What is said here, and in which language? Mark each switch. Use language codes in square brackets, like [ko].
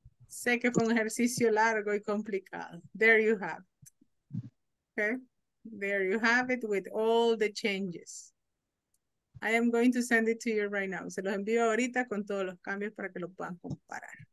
[es] Sé que fue un ejercicio largo y complicado. [en] There you have it. Okay, there you have it with all the changes. I am going to send it to you right now. [es] Se los envío ahorita con todos los cambios para que lo puedan comparar.